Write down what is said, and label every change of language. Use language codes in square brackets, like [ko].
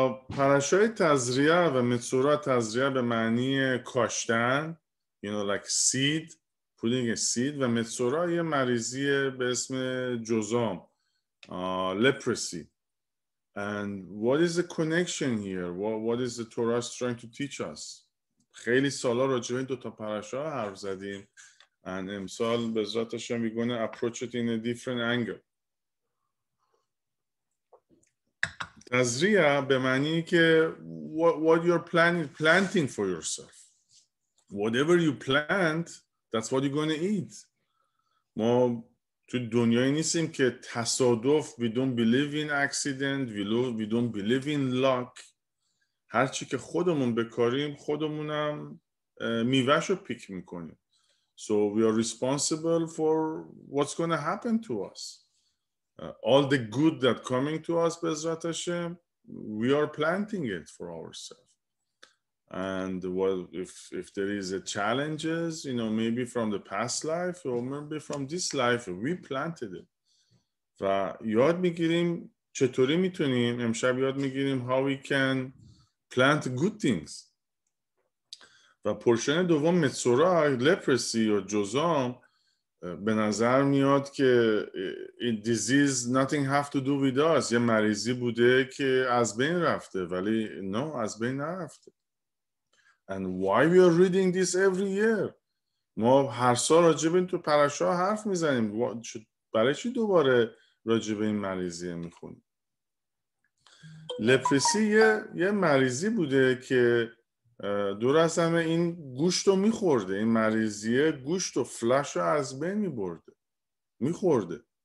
[fa] پرشای تزریه و متسورا, تزریه به معنی کاشتن, [en] you know, like seed, putting a seed, [fa] و متسورا یه مریضی به اسم جزام, leprosy. [en] And what is the connection here? What is the Torah trying to teach us? [fa] خیلی سالا راجع به این دوتا پرشا حرف زدیم. [en] And [fa] امسال به ذاتش هم [en] we're gonna approach it in a different angle. [fa] تزریه به معنی که [en] what you're planting for yourself. Whatever you plant, that's what you're gonna eat. [fa] ما تو دنیایی نیستیم که تصادف, [en] we don't believe in accident, we don't believe in luck. [fa] هرچی که خودمون بکاریم خودمونم میوهش رو پیک میکنیم. [en] So we are responsible for what's going to happen to us. All the good that coming to us, Bezrat Hashem, we are planting it for ourselves. And well, if there is a challenges, you know, maybe from the past life or maybe from this life, we planted it. [fa] و یاد میگیریم چطوری میتونیم, امشب یاد میگیریم [en] how we can plant good things. [fa] و پرشن دوم متسورا, لپرسی یا جزام, به نظر میاد که این دیزیز [en] nothing have to do with us, [fa] یه مریضی بوده که از بین رفته, ولی نه, از بین نرفته. [en] And why we are reading this every year? [fa] ما هر سال راجب این تو پرشا حرف میزنیم, برای چی دوباره راجب این مریضی میخونیم؟ لپرسی یه مریضی بوده که دور از همه این گوشت رو میخورده, این مریضیه گوشت و فلش رو از بین میبرده, میخورده.